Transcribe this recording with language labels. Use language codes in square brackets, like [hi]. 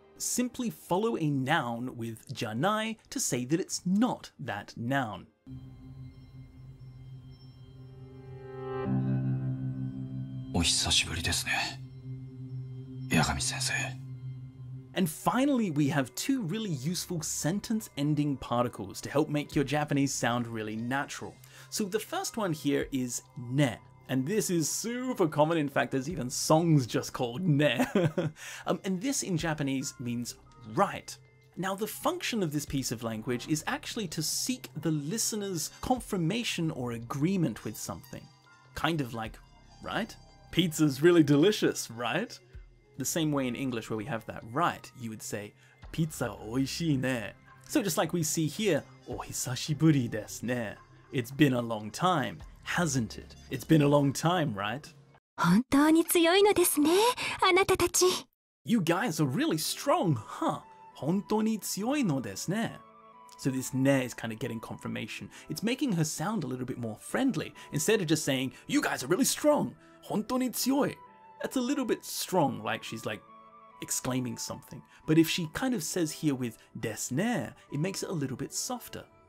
[en] Simply follow a noun with じゃない to say that it's not that noun. [ja] お久しぶりですね、八神先生. [en] And finally, we have two really useful sentence-ending particles to help make your Japanese sound really natural. So the first one here is ね.And this is super common, in fact, there's even songs just called ne. and this in Japanese means right. Now, the function of this piece of language is actually to seek the listener's confirmation or agreement with something. Kind of like, right? Pizza's really delicious, right? The same way in English where we have that right, you would say, [ja] pizza oishiine. [en] So just like we see here, [ja] ohisashiburi desu ne. [en] It's been a long time. Hasn't it? It's been a long time, right? [ja] 本当に強いのですね、あなたたち。 [en] You guys are really strong, huh? [ja] 本当に強いのですね。 [en] So this ne is kind of getting confirmation. It's making her sound a little bit more friendly. Instead of just saying, you guys are really strong. [ja] 本当に強い. [en] That's a little bit strong, like she's like exclaiming something. But if she kind of says here with desne, it makes it a little bit softer.